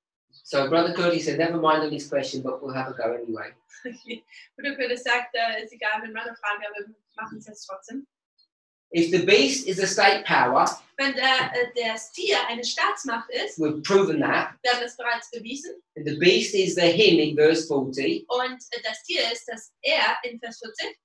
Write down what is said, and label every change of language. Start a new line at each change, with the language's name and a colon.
English: So Brother Cody said, never mind on this question, but we'll have a go anyway.
German: Bruder Cody sagt, ist egal, wenn wir eine Frage haben, wir machen es jetzt trotzdem.
English: If the beast is a state power,
German: wenn der Stier eine Staatsmacht ist,
English: we've proven that.
German: Wir haben es bereits bewiesen.
English: And the beast is the him in verse 40.
German: Und das Tier ist das er in Vers 40.